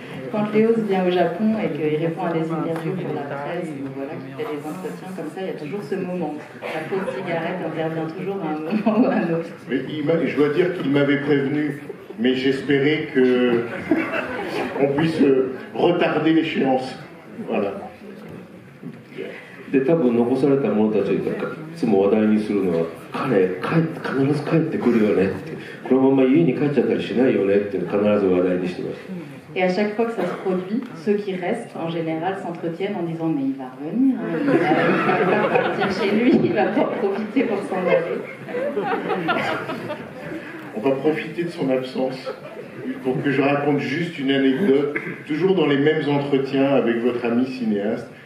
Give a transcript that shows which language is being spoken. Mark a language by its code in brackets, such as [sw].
[fr] Quand Léos vient au Japon et qu'il répond à des interviews pour la presse, ou voilà, qu'il fait des entretiens comme ça, il y a toujours ce moment. La pause cigarette intervient toujours à un moment ou à un autre. Mais je dois dire qu'il m'avait prévenu, mais j'espérais que on puisse retarder l'échéance. Voilà. [ja] で多分残された者たちがいつも話題にするのは彼帰って必ず帰ってくるよねってこのまま家に帰っちゃったりしないよねって必ず話題にしてます。 [fr] Et à chaque fois que ça se produit, ceux qui restent en général s'entretiennent en disant mais il va revenir, il va partir chez lui, il va pas profiter pour s'en aller. On va profiter de son absence pour que je raconte juste une anecdote toujours dans les mêmes entretiens avec votre ami cinéaste.